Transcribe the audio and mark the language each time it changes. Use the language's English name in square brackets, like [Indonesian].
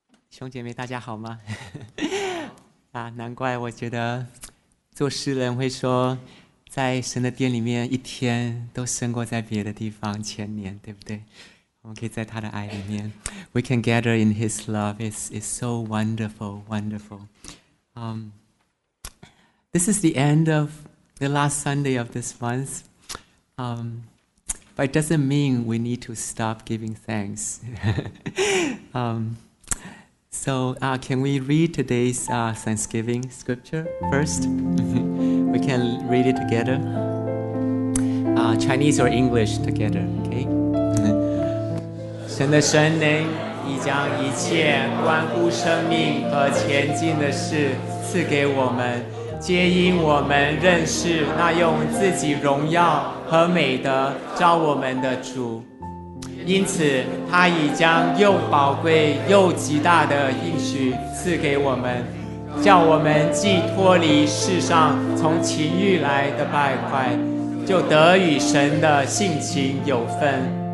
[Chinese] 兄姐妹大家好吗？啊，难怪我觉得做诗人会说在神的殿里面一天都胜过在别的地方千年，对不对？我们可以在他的爱里面 [English] We can gather in his love. It's so wonderful, wonderful. This is the end of the last Sunday of this month. But it doesn't mean we need to stop giving thanks. So can we read today's Thanksgiving scripture first? We can read it together. Chinese or English together, okay? [Chinese] 神的神灵已将一切关乎生命和前进的事赐给我们，皆因我们认识那用自己荣耀和美德召我们的主。因此他已将又宝贵又极大的应许赐给我们，叫我们既脱离世上从情欲来的败坏，就得与神的性情有分。